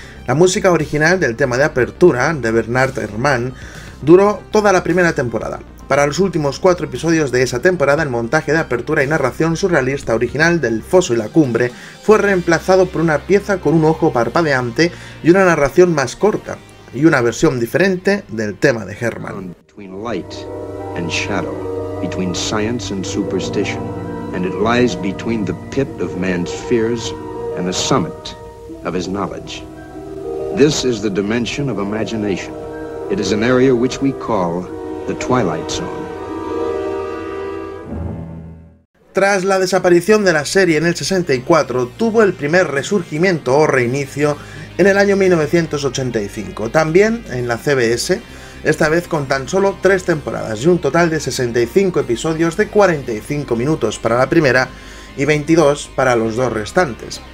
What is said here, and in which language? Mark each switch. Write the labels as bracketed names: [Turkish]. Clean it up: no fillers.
[Spanish] La música original del tema de apertura, de Bernard Herrmann, duró toda la primera temporada. Para los últimos 4 episodios de esa temporada, el montaje de apertura y narración surrealista original del Foso y la Cumbre fue reemplazado por una pieza con un ojo parpadeante y una narración más corta, y una versión diferente del tema de Herrmann. [English] Between light and shadow, between science and superstition, and it lies between the pit of man's fears and the summit of his knowledge. This is the dimension of imagination. It is an area which we call the Twilight Zone. [Spanish] Tras la desaparición de la serie en el 64, tuvo el primer resurgimiento o reinicio en el año 1985, también en la CBS, esta vez con tan solo 3 temporadas y un total de 65 episodios de 45 minutos para la primera y 22 para los dos restantes.